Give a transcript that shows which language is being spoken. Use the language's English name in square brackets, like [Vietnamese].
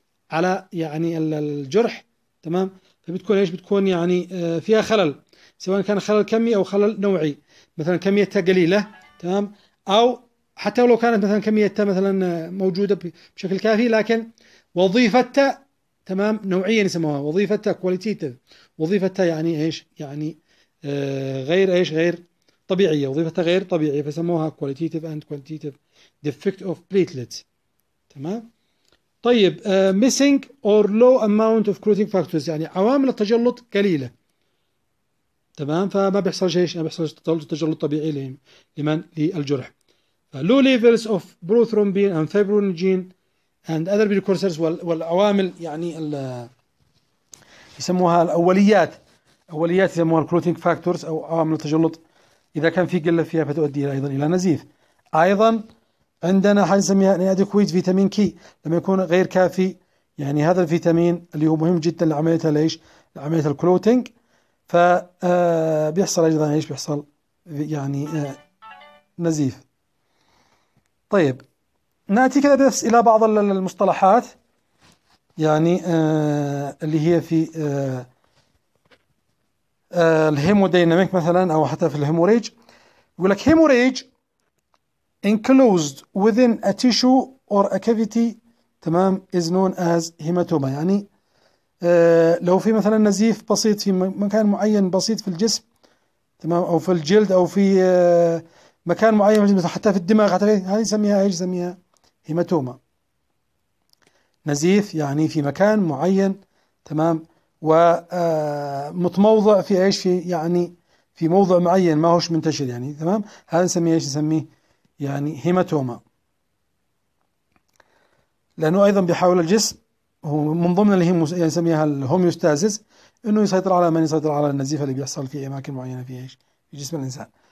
[Arabic] على يعني الجرح، تمام، فبتكون ايش بتكون يعني فيها خلل سواء كان خلل كمي او خلل نوعي مثلا كميتها قليله، تمام، او حتى لو كانت مثلا كميتها مثلا موجوده بشكل كافي لكن وظيفتها، تمام، نوعيا يسموها وظيفتها كواليتيتيف وظيفتها يعني ايش يعني غير ايش غير طبيعية، وظيفتها غير طبيعية، فسموها [English] qualitative and quantitative defect of platelets. [Arabic] تمام. [English] طيب missing or low amount of clotting factors، [Arabic] يعني عوامل التجلط قليلة. تمام. فما بيحصل شيء، ما بيحصل تجلط طبيعي لمن للجرح. [English] low levels of prothrombin and fibrinogen and other precursors، [Arabic] والعوامل يعني يسموها الأوليات، أوليات يسموها الكلوتينج فاكتورز أو عوامل التجلط، إذا كان في قلة فيها فتؤدي أيضا إلى نزيف. أيضا عندنا حنسميها inadequate فيتامين كي، لما يكون غير كافي يعني هذا الفيتامين اللي هو مهم جدا لعملية ليش؟ لعملية الكلوتينج. فبيحصل أيضا ايش؟ بيحصل يعني نزيف. طيب نأتي كذا بس إلى بعض المصطلحات يعني اللي هي في الهيموديناميك مثلا أو حتى في الهيموريج. يقول لك [English] Hemorrhage enclosed within a tissue or a cavity، تمام، is known as hematoma. [Arabic] يعني لو في مثلا نزيف بسيط في مكان معين بسيط في الجسم، تمام، أو في الجلد أو في مكان معين مثلا حتى في الدماغ، حتى هذه نسميها ايش؟ نسميها هيماتوما. نزيف يعني في مكان معين، تمام، ومتموضع في ايش؟ في يعني في موضع معين ما هوش منتشر يعني، تمام، هذا نسميه ايش؟ نسميه يعني هيماتوما، لانه ايضا بيحاول الجسم، هو من ضمن اللي هي يعني نسميها الهوميوستازيس، انه يسيطر على من يسيطر على النزيف اللي بيحصل في اماكن معينه في ايش؟ في جسم الانسان.